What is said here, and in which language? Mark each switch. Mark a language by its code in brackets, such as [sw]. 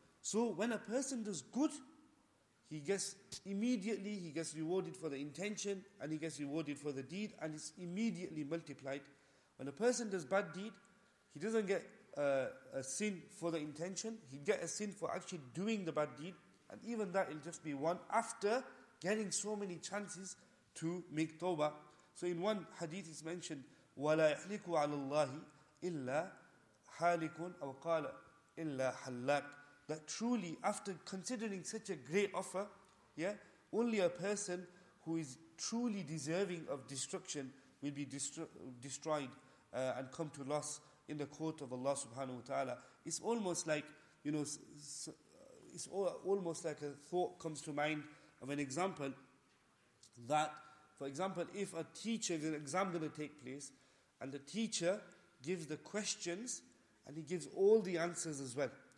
[en] So when a person does good, he gets rewarded for the intention, and he gets rewarded for the deed, and it's immediately multiplied. When a person does bad deed, he doesn't get a sin for the intention, he gets a sin for actually doing the bad deed, and even that will just be one after getting so many chances to make tawbah. So in one hadith it's mentioned, [ar] وَلَا يَحْلِكُ عَلَى اللَّهِ إِلَّا حَالِكٌ أَوْ قَالَ إِلَّا حَلَّاكٌ. [en] That truly, after considering such a great offer, yeah, only a person who is truly deserving of destruction will be destroyed and come to loss in the court of Allah subhanahu wa ta'ala. It's almost like, you know, it's almost like a thought comes to mind of an example that, for example, if a teacher, an exam going to take place, and the teacher gives the questions and he gives all the answers as well.